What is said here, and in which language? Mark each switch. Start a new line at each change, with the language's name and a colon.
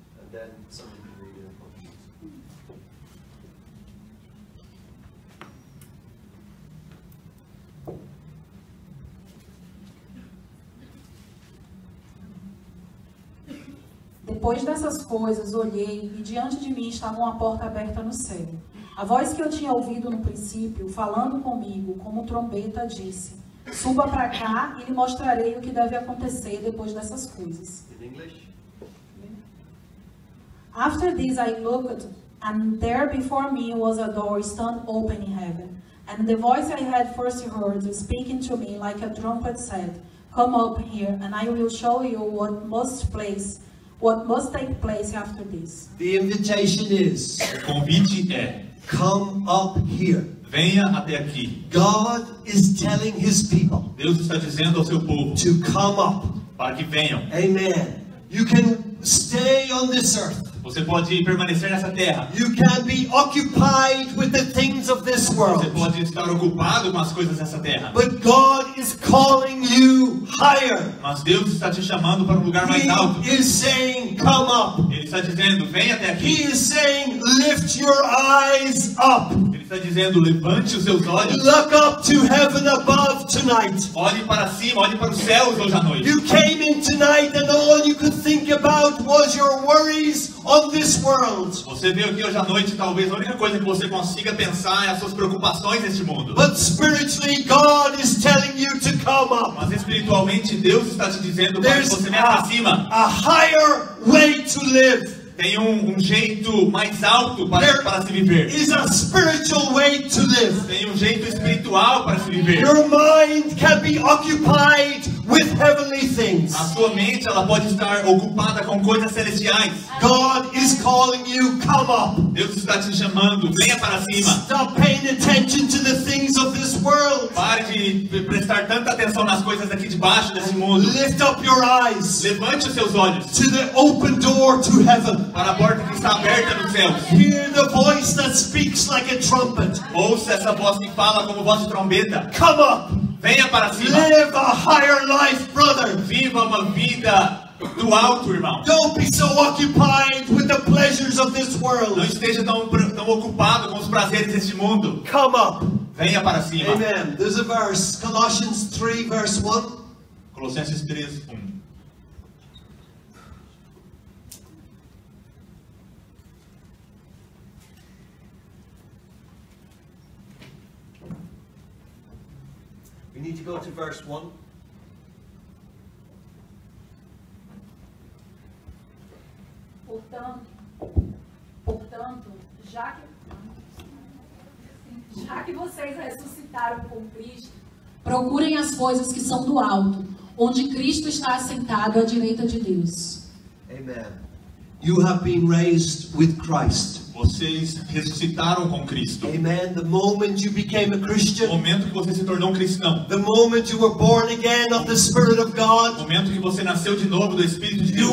English: And then somebody can read it in Portuguese.
Portuguese: Depois dessas coisas, olhei, e diante de mim estava uma porta aberta no céu. A voz que eu tinha ouvido no princípio, falando comigo, como trombeta, disse, Suba para cá e lhe mostrarei o que deve acontecer depois dessas coisas.
English: In English. After this I looked, and there before me was a door stand open in heaven. And the voice I had first heard speaking to me like a trumpet said, come up here and I will show you what must take place after this. The invitation is,
Portuguese: o convite é,
English: come up here.
Portuguese: Venha até aqui.
English: God is telling his people.
Portuguese: Deus está dizendo ao seu povo.
English: To come up.
Portuguese: Para que venham.
English: Amen. You can stay on this earth.
Portuguese: Você pode permanecer nessa terra.
English: You can be occupied with the things of this world.
Portuguese: Você pode estar ocupado com as coisas dessa terra.
English: But God is calling you higher.
Portuguese: Mas Deus está te chamando para um lugar mais alto.
English: He is saying, come up.
Portuguese: Ele está dizendo, venha até aqui.
English: He is saying, lift your eyes up.
Portuguese: Ele está dizendo, levante os seus olhos.
English: Look up to heaven above tonight.
Portuguese: Olhe para cima, olhe para os céus hoje à noite.
English: You came in tonight and all you could think about was your worries. Of this world.
Portuguese: Você veio aqui hoje à noite, talvez a única coisa que você consiga pensar é as suas preocupações neste mundo.
English: But spiritually, God is telling you to come up.
Portuguese: Mas espiritualmente, Deus está te dizendo para que você venha para cima.
English: A higher way to live.
Portuguese: Tem um jeito mais alto para se viver.
English: Is a spiritual way to live.
Portuguese: Tem um jeito espiritual para se viver.
English: Your mind can be occupied with heavenly things.
Portuguese: A sua mente ela pode estar ocupada com coisas celestiais.
English: God is calling you, come up.
Portuguese: Deus está te chamando, venha para cima.
English: Stop paying attention to the things of this world.
Portuguese: Pare de prestar tanta atenção nas coisas aqui debaixo desse mundo.
English: Lift up your eyes.
Portuguese: Levante os seus olhos.
English: To the open door to heaven.
Portuguese: Para a porta que está aberta nos céus.
English: Hear the voice that speaks like a trumpet.
Portuguese: Ouça essa voz que fala como voz de trombeta.
English: Come up.
Portuguese: Venha para cima.
English: Live a higher life, brother.
Portuguese: Viva uma vida do alto, irmão.
English: Don't be so occupied with the pleasures of this world.
Portuguese: Não esteja tão ocupado com os prazeres deste mundo.
English: Come up.
Portuguese: Venha para cima.
English: Amen. There's a verse, Colossians 3, verse 1.
Portuguese: Colossenses 3, 1.
English: We need to go to verse 1.
Portuguese: Portanto, já que vocês ressuscitaram com Cristo, procurem as coisas que são do alto, onde Cristo está assentado à direita de Deus.
English: Amen. You have been raised with Christ.
Portuguese: Vocês ressuscitaram com Cristo.
English: Amen. The moment you became a Christian.
Portuguese: O momento que você se tornou um cristão.
English: The moment you were born again of the Spirit of God.
Portuguese: O momento que você nasceu de novo do Espírito de Deus.